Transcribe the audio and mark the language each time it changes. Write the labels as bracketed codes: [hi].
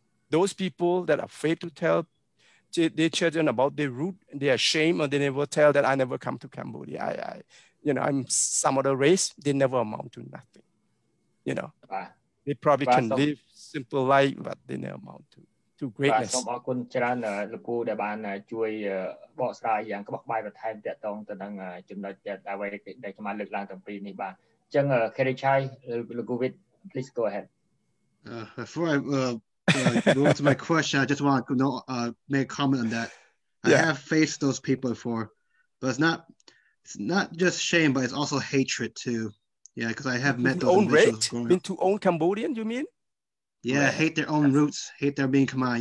[en] Those people that are afraid to tell their children about their root, they are ashamed, or they never tell that I never come to Cambodia. I you know, I'm some other race, they never amount to nothing. You know, they probably can live simple life, but they never amount to greatness. [km] សូមអរគុណច្រើនលោកគ្រូដែលបានជួយបកស្រាយយ៉ាងក្បោះក្បាយបន្ថែមតទៅទៅនឹងចំណុចដែលអ្វីដែលខ្ញុំបានលើកឡើងតាំងពីនេះបាទអញ្ចឹង Kerry Chhay លោកគ្រូ Viith [en] please go ahead. Go to my question. I just want to know, make a comment on that. Yeah. I have faced those people before, but it's not just shame, but it's also hatred too. Yeah, because I have met those individuals growing up. Been to own Cambodian, you mean? Yeah, right. Hate their own roots, hate their being Khmer.